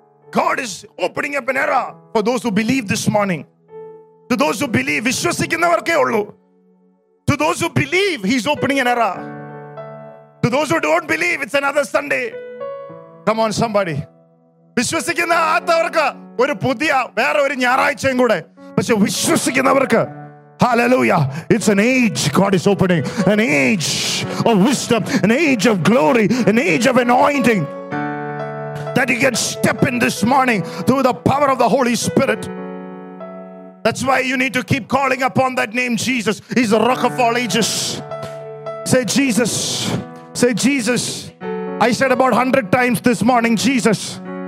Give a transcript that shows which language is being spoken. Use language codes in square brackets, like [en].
[en] God is opening up an era for those who believe this morning. To those who believe. [ml] Vishwasikinavarke ullu. [en] To those who believe, He's opening an era. To those who don't believe, it's another Sunday. Come on, somebody. [ml] വിശ്വസിക്കുന്ന ആത്മാവർക്ക് ഒരു പുതിയ വേറെ ഒരു ഞായറാഴ്ചയും കൂടെ, പക്ഷെ വിശ്വസിക്കുന്നവർക്ക് [en] hallelujah, it's an age God is opening, an age of wisdom, an age of glory, an age of anointing that you can step in this morning through the power of the Holy Spirit. That's why you need to keep calling upon that name, Jesus. He's the rock of all ages. Say Jesus, say Jesus. I said about 100 times this morning, Jesus.